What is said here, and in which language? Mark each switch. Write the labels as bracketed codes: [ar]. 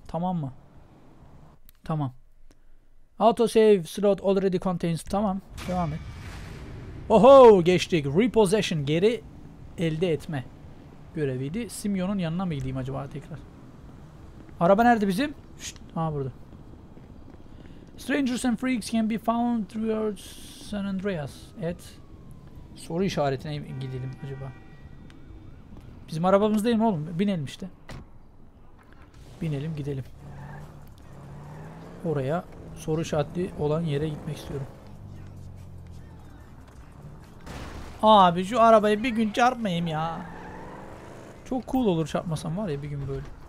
[tr] Tamam mı? Tamam. [en] Auto save slot already contains. [tr] Tamam, devam et. Oho geçtik. Repossession, geri elde etme göreviydi. Simeon'un yanına mı gideyim acaba tekrar? Araba nerede bizim? Şşt, aha burada. [en] Strangers and freaks can be found throughout San Andreas. [tr] Evet. Soru işaretine gidelim acaba. Bizim arabamız değil mi oğlum? Binelim işte. Binelim gidelim. Oraya, soru işareti olan yere gitmek istiyorum. Abi şu arabayı bir gün çarpmayayım ya. Çok cool olur çarpmasam var ya bir gün böyle.